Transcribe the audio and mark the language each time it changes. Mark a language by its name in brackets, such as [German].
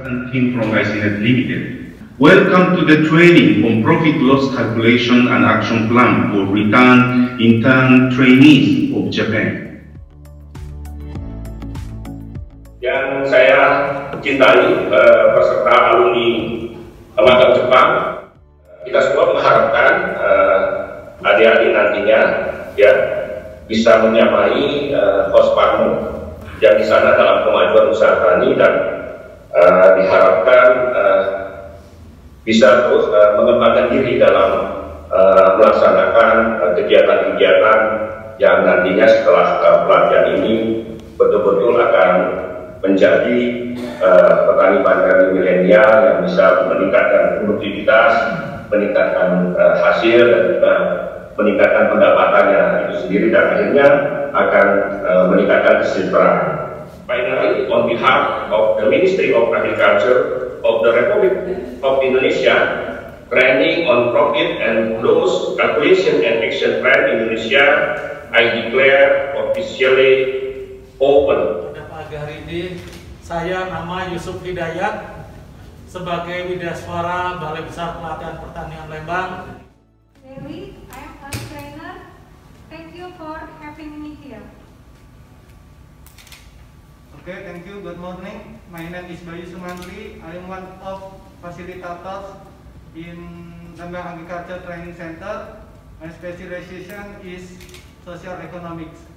[English] Team from ICNet Limited. Welcome to the training on profit loss calculation and action plan for return intern trainees of Japan. [Indonesian] Yang saya cintai peserta alumni magang Jepang, kita semua mengharapkan adik-adik nantinya ya bisa menyamai kosparmu yang di sana dalam kemajuan usaha tani dan diharapkan bisa terus mengembangkan diri dalam melaksanakan kegiatan-kegiatan yang nantinya setelah pelatihan ini betul-betul akan menjadi petani pandemi milenial yang bisa meningkatkan produktivitas, meningkatkan hasil, dan juga meningkatkan pendapatannya itu sendiri dan akhirnya akan meningkatkan kesejahteraan. [English] Finally, on behalf of the Ministry of Agriculture of the Republic of Indonesia, training on profit and loss calculation and action plan Indonesia, I declare officially open. [Indonesian] Pada pagi hari ini, saya nama Yusuf Hidayat sebagai widyaswara Balai Besar Pelatihan Pertanian Lembang. [English] Dewi, I am a trainer. Thank you for having me here. Okay, thank you. Good morning. My name is Bayu Sumantri. I am one of facilitators in Lembang Agriculture Training Center. My specialization is social economics.